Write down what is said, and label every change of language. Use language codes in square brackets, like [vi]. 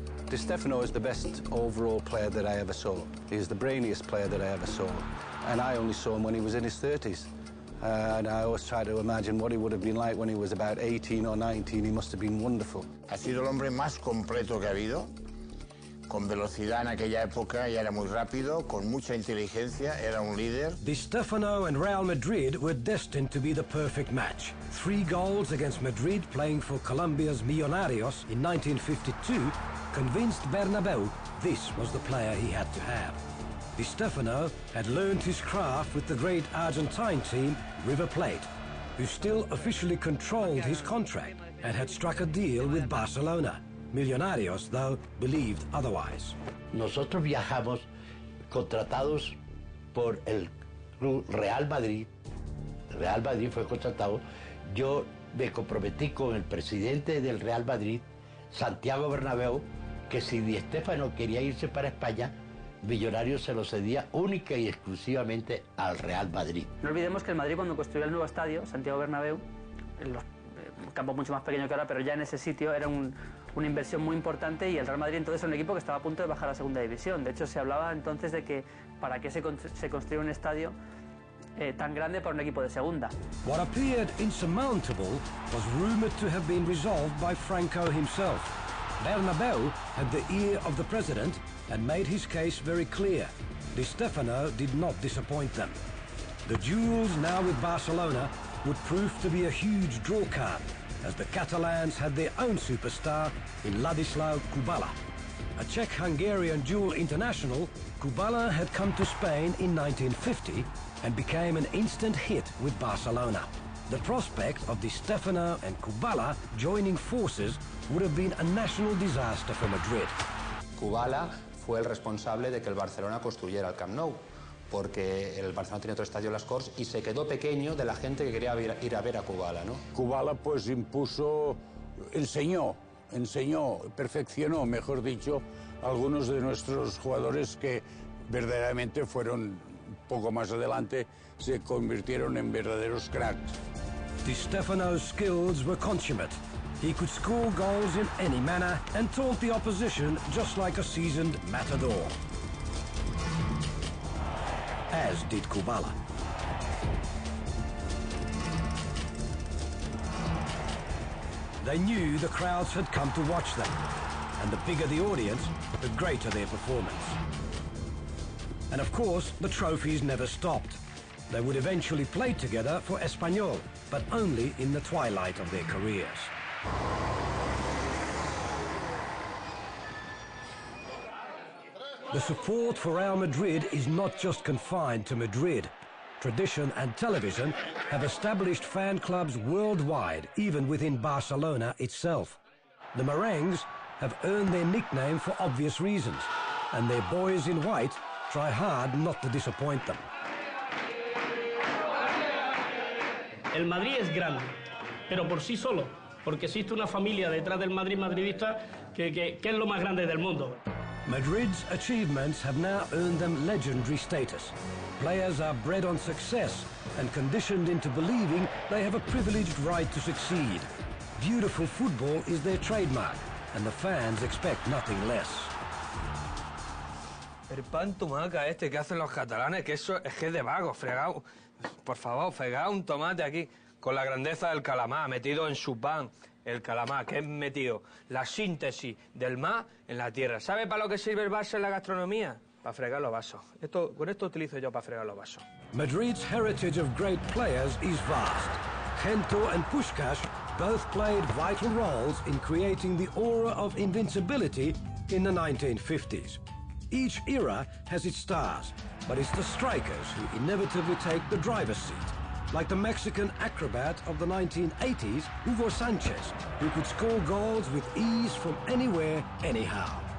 [en] Di Stefano is the best overall player that I ever saw. He's the brainiest player that I ever saw. And I only saw him when he was in his 30s. And I always try to imagine what he would have been like when he was about 18 or 19. He must have been wonderful. [es] Ha sido el hombre más completo que ha habido, con velocidad en aquella época, y era muy rápido, con mucha inteligencia, era un líder. [en] Di Stefano and Real Madrid were destined to be the perfect match. Three goals against Madrid playing for Colombia's Millonarios in 1952 convinced Bernabeu this was the player he had to have. Di Stefano had learned his craft with the great Argentine team, River Plate, who still officially controlled his contract and had struck a deal with Barcelona. Millonarios, though, believed otherwise. [es] Nosotros viajamos contratados por el club Real Madrid. Real Madrid fue contratado. Yo me comprometí con el presidente del Real Madrid, Santiago Bernabéu, que si Di Stefano quería irse para España, Millonarios se lo cedía única y exclusivamente al Real Madrid. No olvidemos que el Madrid, cuando construyó el nuevo estadio, Santiago Bernabéu, un campo mucho más pequeño que ahora, pero ya en ese sitio, era una inversión muy importante, y el Real Madrid entonces era un equipo que estaba a punto de bajar a la segunda división. De hecho, se hablaba entonces de que para qué se construyó un estadio tan grande para un equipo de segunda. [en] What appeared insurmountable was rumored to have been resolved by Franco himself. Bernabéu had the ear of the president and made his case very clear. Di Stefano did not disappoint them. The duels now with Barcelona would prove to be a huge draw card, as the Catalans had their own superstar in Ladislao Kubala. A Czech-Hungarian dual international, Kubala had come to Spain in 1950 and became an instant hit with Barcelona. The prospect of Di Stefano and Kubala joining forces would have been a national disaster for Madrid. [es] Kubala fue el responsable de que el Barcelona construyera el Camp Nou, porque el Barcelona tenía otro estadio, las Corts, y se quedó pequeño de la gente que quería ir a ver a Kubala, ¿no? Kubala, pues, impuso, enseñó, perfeccionó, mejor dicho, algunos de nuestros jugadores que verdaderamente fueron, poco más adelante, se convirtieron en verdaderos cracks. [en] Di Stefano's skills were consummate. He could score goals in any manner and taunt the opposition just like a seasoned matador. As did Kubala. They knew the crowds had come to watch them, and the bigger the audience, the greater their performance. And of course, the trophies never stopped. They would eventually play together for Espanyol, but only in the twilight of their careers. The support for Real Madrid is not just confined to Madrid. Tradition and television have established fan clubs worldwide, even within Barcelona itself. The Merengues have earned their nickname for obvious reasons, and their boys in white try hard not to disappoint them. [es] El Madrid es grande, pero por sí solo, porque existe una familia detrás del Madrid madridista que es lo más grande del mundo. [en] Madrid's achievements have now earned them legendary status. Players are bred on success and conditioned into believing they have a privileged right to succeed. Beautiful football is their trademark, and the fans expect nothing less. [es] El pan tumaca este que hacen los catalanes, que eso es que de vago, fregado. por favor, fregad un tomate aquí con la grandeza del calamar metido en su pan. El calamar que es metido, la síntesis del mar en la tierra. ¿Sabe para lo que sirve el vaso en la gastronomía? Para fregar los vasos. Esto, con esto utilizo yo para fregar los vasos. [en] Madrid's heritage of great players is vast. Gento and Puskás both played vital roles in creating the aura of invincibility in the 1950s. Each era has its stars, but it's the strikers who inevitably take the driver's seat, like the Mexican acrobat of the 1980s, Hugo Sanchez, who could score goals with ease from anywhere, anyhow.